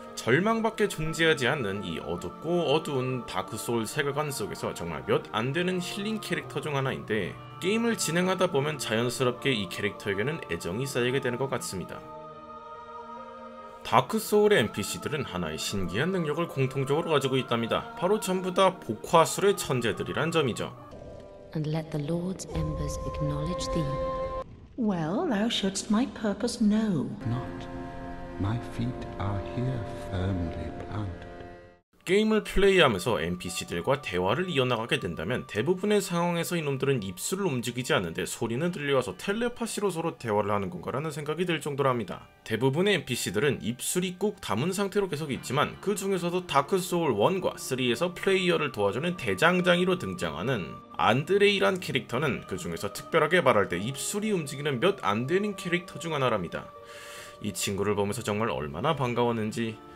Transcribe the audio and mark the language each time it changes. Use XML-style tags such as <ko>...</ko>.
<ko>절망밖에 존재하지 않는 이 어둡고 어두운 다크소울 세계관 속에서 정말 몇 안 되는 힐링 캐릭터 중 하나인데 게임을 진행하다 보면 자연스럽게 이 캐릭터에게는 애정이 쌓이게 되는 것 같습니다. 다크소울의 NPC들은 하나의 신기한 능력을 공통적으로 가지고 있답니다. 바로 전부 다 복화술의 천재들이란 점이죠.</ko> <en>And let the Lord's embers acknowledge thee. Well, thou shouldst my purpose know. Not. My feet are here firmly planted.</en> <ko>게임을 플레이하면서 NPC들과 대화를 이어나가게 된다면 대부분의 상황에서 이놈들은 입술을 움직이지 않는데 소리는 들려와서 텔레파시로 서로 대화를 하는 건가라는 생각이 들 정도랍니다. 대부분의 NPC들은 입술이 꾹 담은 상태로 계속 있지만 그 중에서도 다크소울 1과 3에서 플레이어를 도와주는 대장장이로 등장하는 안드레이란 캐릭터는 그 중에서 특별하게 말할 때 입술이 움직이는 몇 안 되는 캐릭터 중 하나랍니다. 이 친구를 보면서 정말 얼마나 반가웠는지</ko>